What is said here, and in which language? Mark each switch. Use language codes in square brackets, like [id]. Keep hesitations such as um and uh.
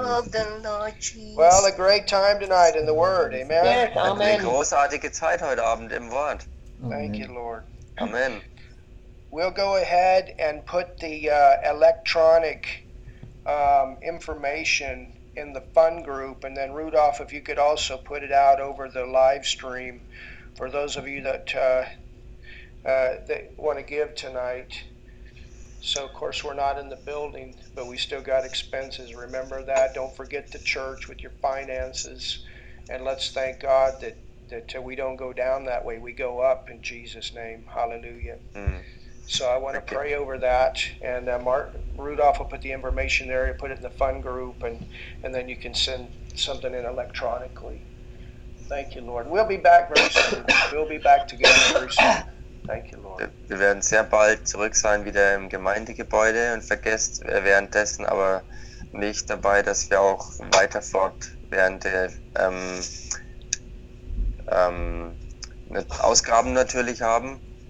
[en] We Lord, well, a great time tonight in the Word. [de] Amen. Eine großartige Zeit heute Abend im Wort. [en] Thank you, Lord. Amen. We'll go ahead and put the uh, electronic um, information in the fun group, and then Rudolph, if you could also put it out over the live stream for those of you that. Uh, uh, they want to give tonight. So, of course, we're not in the building, but we still got expenses. Remember that. Don't forget the church with your finances. And let's thank God that, that we don't go down that way. We go up in Jesus' name. Hallelujah. Mm-hmm. So, I want to okay. pray over that. And uh, Martin, Rudolph will put the information there and put it in the fund group. And, and then you can send something in electronically. Thank you, Lord. We'll be back very soon. We'll be back together very soon. You, [de] wir werden sehr bald zurück sein, wieder im Gemeindegebäude und vergesst währenddessen aber nicht dabei, dass wir auch weiter fort während der ähm, ähm, Ausgraben natürlich haben.